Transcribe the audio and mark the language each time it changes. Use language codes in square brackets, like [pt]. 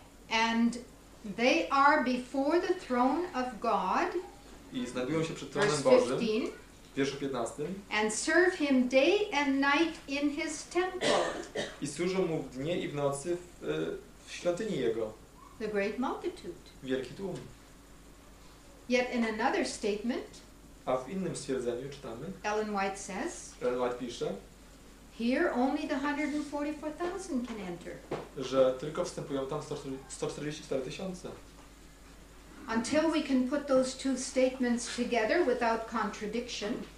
[en] And they are before the throne of God. [pl] I znajdują się przed tronem Bożym. W wierszu 15. [en] And serve him day and night in his temple. [pl] I służą mu w dnie i w nocy w świątyni jego. [en] The great multitude. [pl] Wielki tłum. [en] Yet in another statement. [pl] A w innym stwierdzeniu czytamy. [en] Ellen White says. [pl] Ellen White pisze. [en] Here only the 144,000 can enter. [pl] Że tylko wstępują tam 144 tysiące. [en] Until we can put those two statements together without contradiction.